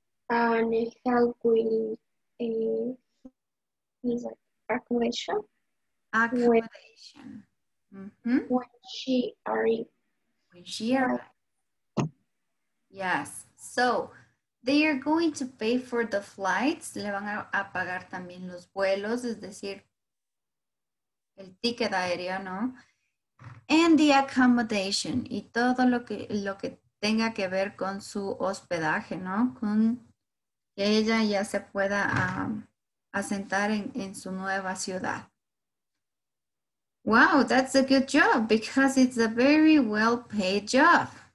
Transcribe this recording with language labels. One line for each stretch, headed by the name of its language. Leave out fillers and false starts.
English: And help with accommodation. Accommodation. When she arrives. When she arrives. Yes. So they are going to pay for the flights.
Spanish: Le van a pagar también los vuelos, es decir, el ticket aéreo, ¿no?
English: And the accommodation.
Spanish: Y todo lo que tenga que ver con su hospedaje, ¿no? Con que ella ya se pueda asentar en su nueva ciudad.
English: Wow, that's a good job because it's a very well-paid job.